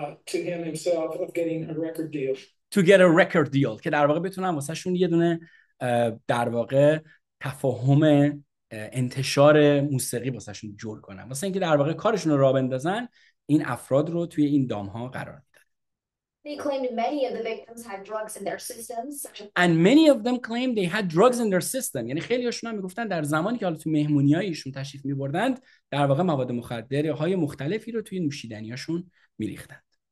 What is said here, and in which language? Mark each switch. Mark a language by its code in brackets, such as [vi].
[en] to him himself of getting a record deal to get a record deal [fa] که در واقع بتونن واسه شون یه دونه در واقع تفاهم انتشار موسیقی واسه شون جور کنن واسه اینکه در واقع کارشون رو راه بندازن این افراد رو توی این دام ها قرار [en] They claimed many of the victims had drugs in their systems. And many of them claimed they had drugs in their system. [fa] یعنی خیلی‌هاشون هم می‌گفتن در زمانی که حالا تو مهمونی‌هایشون تشریف می‌بردند، در واقع مواد مخدرهای مختلفی رو توی نوشیدنی‌هاشون می‌ریختند.